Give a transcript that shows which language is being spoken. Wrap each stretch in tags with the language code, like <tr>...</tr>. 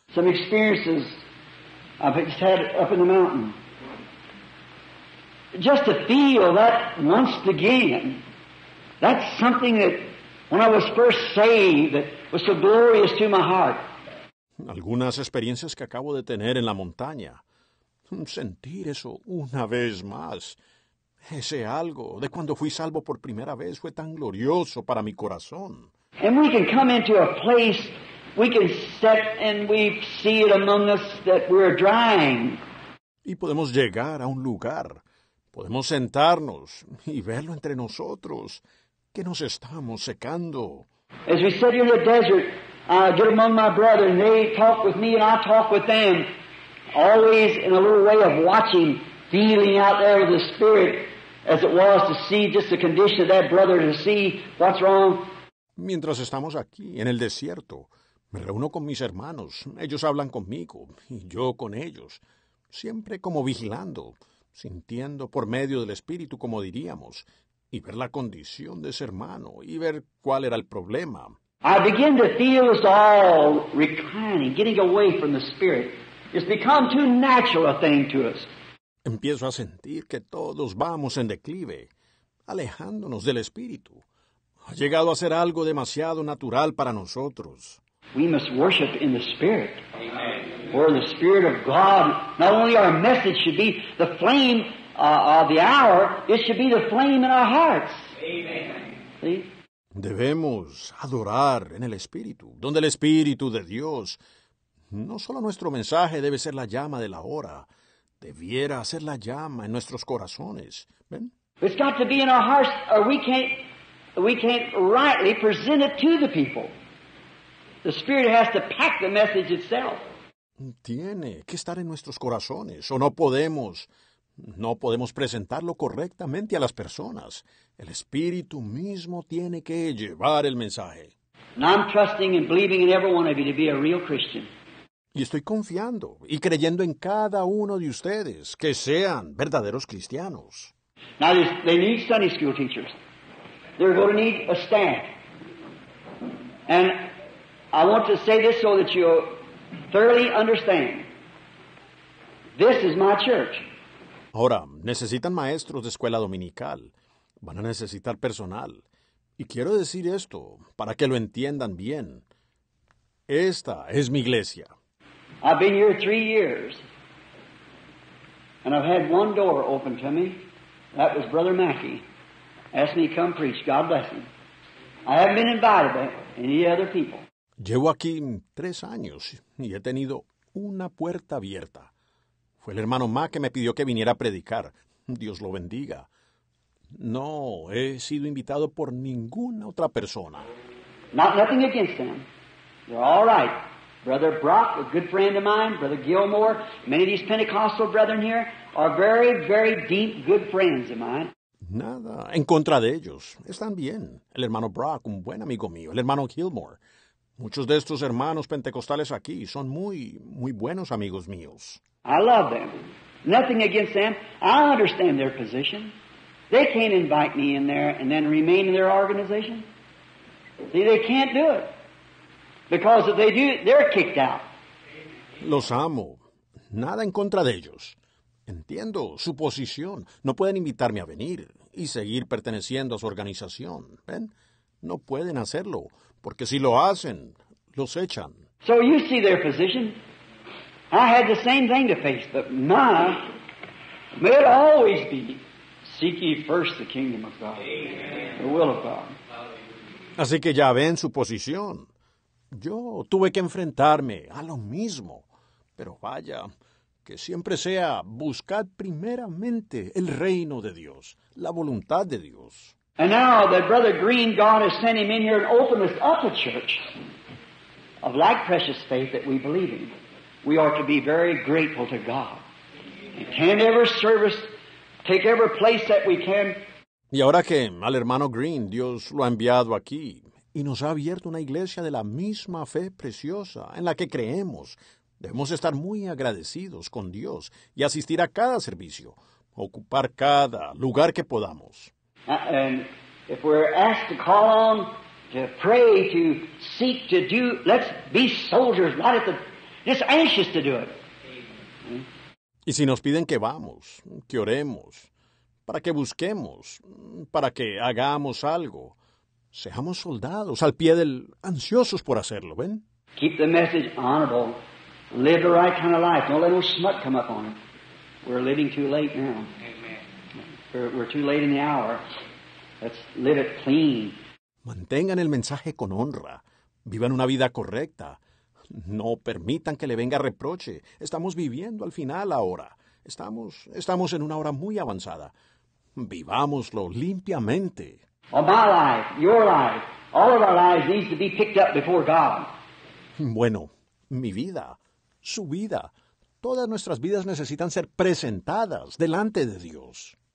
<en>Some experiences I've just had up in the mountain. Just to feel that once again. That's something that, when I was first saved, that was so glorious to my heart.</en> <es>Algunas experiencias que acabo de tener en la montaña. Sentir eso una vez más. Ese algo de cuando fui salvo por primera vez fue tan glorioso para mi corazón.</es> <en>And we can come into a place, we can sit and we see it among us that we're drying.</en> <es>Y podemos llegar a un lugar. Podemos sentarnos y verlo entre nosotros, que nos estamos secando.</es> <en>As we sit here in the desert, I get among my brethren, they talk with me and I talk with them, always in a little way of watching, feeling out there with the Spirit, as it was to see just the condition of that brother, to see what's wrong.</en> <es>Mientras estamos aquí, en el desierto, me reúno con mis hermanos, ellos hablan conmigo, y yo con ellos, siempre como vigilando, sintiendo por medio del Espíritu, como diríamos, y ver la condición de ese hermano, y ver cuál era el problema.</es> <en>I begin to feel us all reclining, getting away from the Spirit. It's become too natural a thing to us.</en> <es>Empiezo a sentir que todos vamos en declive, alejándonos del Espíritu. Ha llegado a ser algo demasiado natural para nosotros.</es> <en>We must worship in the Spirit. Amen. For the Spirit of God, not only our message should be the flame of the hour, it should be the flame in our hearts. Amen. See?</en> <es>Debemos adorar en el Espíritu, donde el Espíritu de Dios, no solo nuestro mensaje debe ser la llama de la hora, debiera ser la llama en nuestros corazones. ¿Ven?</es> <en>It's got to be in our hearts, or we can't rightly present it to the people. The Spirit has to pack the message itself.</en> <es>Tiene que estar en nuestros corazones, o no podemos presentarlo correctamente a las personas. El Espíritu mismo tiene que llevar el mensaje.</es> <en>And I'm trusting and believing in every one of you to be a real Christian.</en> <es>Y estoy confiando y creyendo en cada uno de ustedes que sean verdaderos cristianos.</es> <en>Now they need Sunday school teachers. They're going to need a staff. And I want to say this so that you thoroughly understand. This is my church.</en> <es>Ahora, necesitan maestros de escuela dominical. Van a necesitar personal. Y quiero decir esto para que lo entiendan bien. Esta es mi iglesia.</es> <en>I've been here 3 years, and I've had one door open to me. That was Brother Mackey. Asked me to come preach. God bless him. I haven't been invited by any other people.</en> <es>Llevo aquí 3 años, y he tenido una puerta abierta. Fue el hermano Mac que me pidió que viniera a predicar. Dios lo bendiga. No he sido invitado por ninguna otra persona.</es> <en>Nothing against them. They're all right. Brother Brock, a good friend of mine, Brother Gilmore, many of these Pentecostal brethren here are very, very deep, good friends of mine.</en> <es>Nada en contra de ellos. Están bien. El hermano Brock, un buen amigo mío. El hermano Gilmore. Muchos de estos hermanos pentecostales aquí son muy, muy buenos amigos míos.</es> <en>I love them. Nothing against them. I understand their position. They can't invite me in there and then remain in their organization. See, they can't do it. Because if they do, they're kicked out.</en> <es>Los amo. Nada en contra de ellos. Entiendo su posición. No pueden invitarme a venir y seguir perteneciendo a su organización. ¿Ven? No pueden hacerlo. Porque si lo hacen, los echan.</es> <en>So you see their position. I had the same thing to face. But may it always be, seek ye first the kingdom of God. The will of God.</en> <es>Así que ya ven su posición. Yo tuve que enfrentarme a lo mismo. Pero vaya, que siempre sea buscar primeramente el reino de Dios, la voluntad de Dios.</es> <en>And now that Brother Green, God has sent him in here and opened us up a church of like precious faith that we believe in, we are to be very grateful to God. And can every service take every place that we can.</en> <es>Y ahora que al hermano Green Dios lo ha enviado aquí, y nos ha abierto una iglesia de la misma fe preciosa en la que creemos. Debemos estar muy agradecidos con Dios y asistir a cada servicio, ocupar cada lugar que podamos.</es> <en>And if we're asked to call on, to pray, to seek, to do, let's be soldiers, not at the, just anxious to do it.</en> <es>Y si nos piden que vamos, que oremos, para que busquemos, para que hagamos algo, seamos soldados al pie del ansiosos por hacerlo, ¿ven?</es> <en>Keep the message honorable. Live the right kind of life. Don't let no smut come up on it. We're living too late now. Amen. We're too late in the hour. Let's live it clean.</en> <es>Mantengan el mensaje con honra. Vivan una vida correcta. No permitan que le venga reproche. Estamos viviendo al final ahora. Estamos en una hora muy avanzada. Vivámoslo limpiamente.</es> <en>Well, my life, your life, all of our lives needs to be picked up before God.</en> <es>Bueno, mi vida, su vida, todas nuestras vidas necesitan ser presentadas delante de Dios.</es>